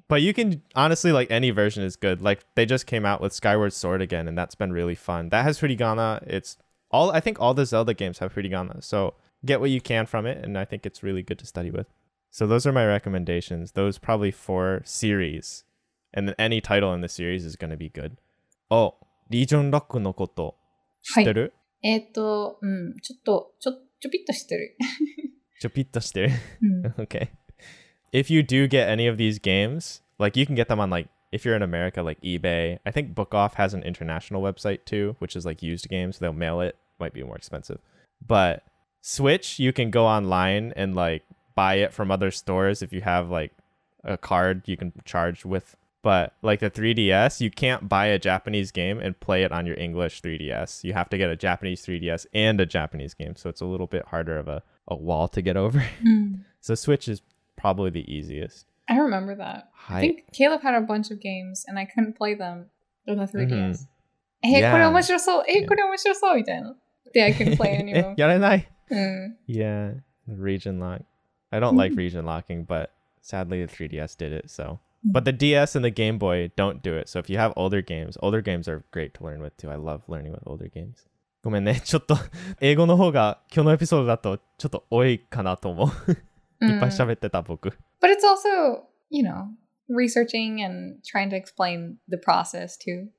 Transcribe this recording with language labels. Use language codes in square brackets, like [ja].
[en] But you can, honestly, like any version is good. Like they just came out with Skyward Sword again, and that's been really fun. That has hiragana. It's all, I think all the Zelda games have hiragana. So get what you can from it, and I think it's really good to study with. So those are my recommendations. Those probably four series. And any title in the series is going to be good. Oh. [ja] リージョンロックのこと知ってる？はい、ちょっと知ってる。ちょぴっと知ってる。 [en] Okay. If you do get any of these games, like you can get them on like, if you're in America, like eBay. I think Book Off has an international website too, which is like used games. They'll mail it. Might be more expensive. But Switch, you can go online and like buy it from other stores if you have like a card you can charge with. But like the 3DS, you can't buy a Japanese game and play it on your English 3DS. You have to get a Japanese 3DS and a Japanese game. So it's a little bit harder of a wall to get over. So Switch is probably the easiest. I remember that. I think Caleb had a bunch of games and I couldn't play them on the 3DS. [ja] Hey, これ面白そう。これ面白そうみたいな。で, [en] I couldn't play any of them. [ja] やれない? [en] Yeah, region lock. I don't like region locking, but sadly the 3DS did it, so... But the DS and the Game Boy don't do it. So if you have older games are great to learn with too. I love learning with older games. [ja] ごめんね。ちょっと英語の方が今日のエピソードだとちょっと多いかなと思う。いっぱい喋ってた僕。 [en] But it's also, you know, researching and trying to explain the process too.